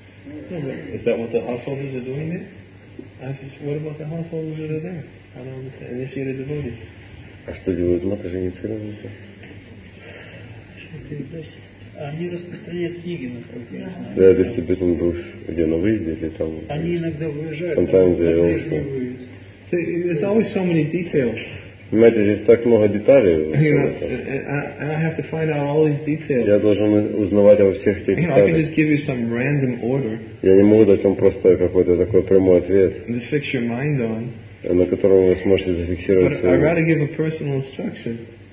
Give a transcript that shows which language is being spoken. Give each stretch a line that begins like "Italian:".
English: Is that what the householders are doing there? What about the householders that are there? I don't understand. Initiated devotees.
Russian: А что делают матери инициированные? Они распространяют книги, насколько я знаю. Да,
English: distributing books,
Russian: где на выезде или там. Они иногда выезжают.
English: Sometimes they also. There's always so many details.
Russian: Понимаете, здесь так много деталей.
English: You know, I have to find out all these details.
Russian: Я должен узнавать обо всех этих деталях.
English: You know, I can just give you some random order.
Russian: Я не могу дать вам просто какой-то такой прямой ответ,
English: to fix your mind on,
Russian: на котором вы сможете зафиксировать свою.
English: But I'd rather give a personal instruction.